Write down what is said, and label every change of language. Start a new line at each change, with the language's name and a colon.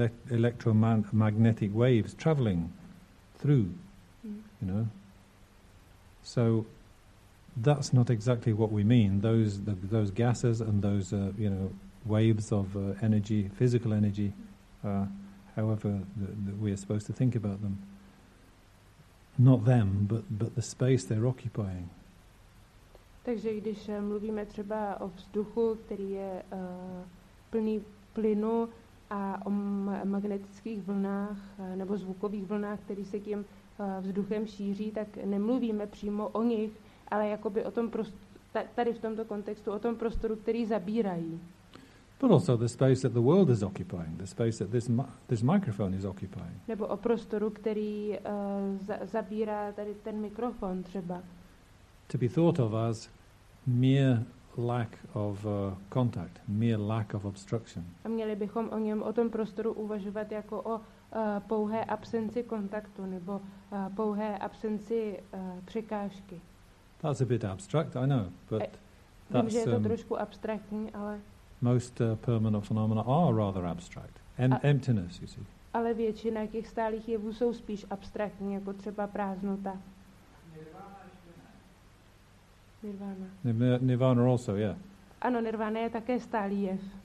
English: electromagnetic waves traveling through, So that's not exactly what we mean. Those gases and those waves of energy, physical energy, however we are supposed to think about them. Not them, but the space they're occupying.
Czech: Takže když mluvíme třeba o vzduchu, který je plný plynu a o magnetických vlnách nebo zvukových vlnách, které se tím vzduchem šíří, tak nemluvíme přímo o nich, ale jakoby o tom tady v tomto kontextu o tom prostoru, který zabírají.
English: But also the space that the world is occupying, the space that this microphone is occupying.
Czech: Nebo o prostoru, který zabírá tady ten mikrofon třeba.
English: To to be thought of as mere lack of contact, mere lack of obstruction.
Czech: A měli bychom o něm, o tom prostoru uvažovat jako o pouhé absenci kontaktu nebo pouhé absenci překážky.
English: That's a bit abstract, I know, but
Czech: Vím, že je to trošku abstraktní, ale
English: most permanent phenomena are rather abstract. Emptiness, you see.
Czech: Ale většina těch stálých jevů jsou spíš abstraktní, jako třeba prázdnota.
English: Nirvana. Nirvana also, yeah.
Czech: Ano, nirvana je také stálý jev.